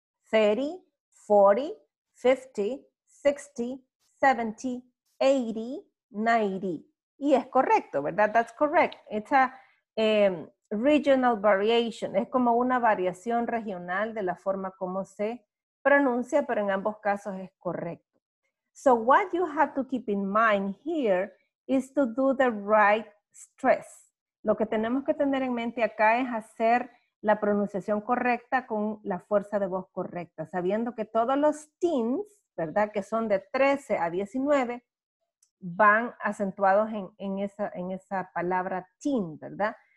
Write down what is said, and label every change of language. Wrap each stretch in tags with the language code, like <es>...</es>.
<en>30, 40, 50, 60, 70, 80, 90.</en> <es>Y es correcto, ¿verdad?</es> <en>That's correct. It's a regional variation.</en> <es>Es como una variación regional de la forma como se pronuncia, pero en ambos casos es correcto.</es> <en>So what you have to keep in mind here is to do the right stress.</en> <es>Lo que tenemos que tener en mente acá es hacer la pronunciación correcta con la fuerza de voz correcta, sabiendo que todos los teens, ¿verdad?, que son de 13 a 19, van acentuados en esa palabra teen, ¿verdad?</es>